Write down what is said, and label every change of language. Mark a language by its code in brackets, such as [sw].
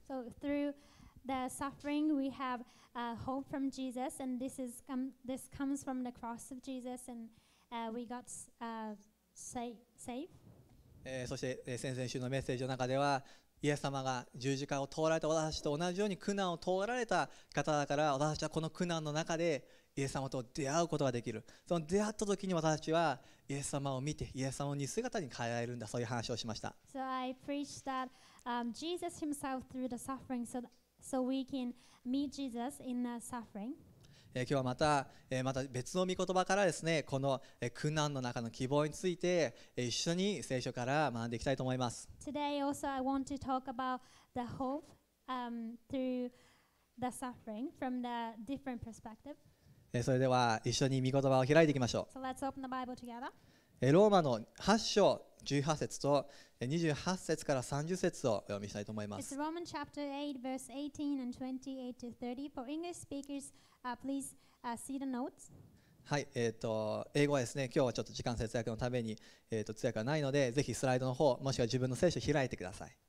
[en] So through the suffering, we have. Hope from Jesus, and this comes from the cross of Jesus, and we got saved. [ja] そして先々週のメッセージの中では、イエス様が十字架を通られた私たちと同じように苦難を通られた方だから、私たちはこの苦難の中でイエス様と出会うことができる。その出会った時に私たちはイエス様を見て、イエス様の似姿に変えられるんだ、そういう話をしました。 [en] So I preached that Jesus himself through the suffering, so we can meet Jesus in the suffering. [ja] 今日はまた別の御言葉からですね、この苦難の中の希望について一緒に聖書から学んでいきたいと思います。 [en] Today also I want to talk about the hope through the suffering from the different perspective. [ja] それでは一緒に御言葉を開いていきましょう。 [en] So let's open the Bible together. [ja] ローマの8章18節と28節から30節をお読みしたいと思います。 [en] It's Romans chapter 8 verse 18 and 28 to 30 for English speakers, please see the notes. [ja] はい、英語はですね、今日はちょっと時間節約のために、通訳がないので、ぜひスライドの方もしくは自分の聖書を開いてください。